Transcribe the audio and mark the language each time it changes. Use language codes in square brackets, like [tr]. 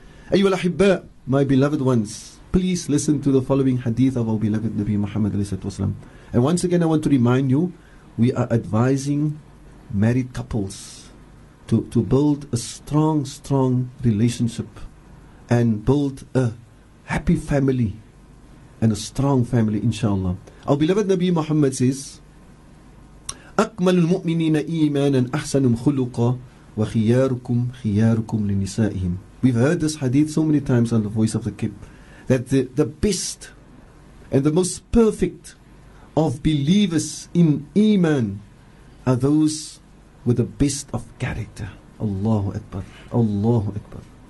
[ar] Ayyuhal ahibba, [en] my beloved ones, please listen to the following hadith of our beloved Nabi Muhammad alayhi salatu wasalam. And once again I want to remind you, we are advising married couples to build a strong relationship and build a happy family and a strong family inshallah. Our beloved Nabi Muhammad says, [ar] أكمل المؤمنين إيمانا أحسنهم خلقا وخياركم خياركم لنسائهم. [en] We've heard this hadith so many times on the voice of the Kip, that the best and the most perfect of believers in Iman are those with the best of character. Allahu Akbar. Allahu Akbar.